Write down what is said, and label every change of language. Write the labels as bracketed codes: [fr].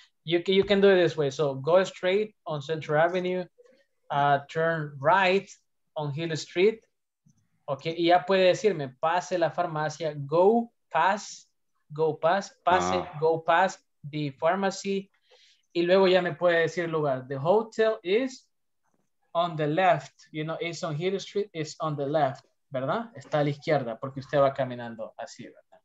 [en] You can do it this way. So, go straight on Central Avenue, turn right on Hill Street. [es] Ok, y ya puede decirme, pase la farmacia, [en] go past the pharmacy. [es] Y luego ya me puede decir el lugar. [en] The hotel is on the left. You know, it's on Hill Street, it's on the left. [es] ¿Verdad? Está a la izquierda porque usted va caminando así, ¿verdad?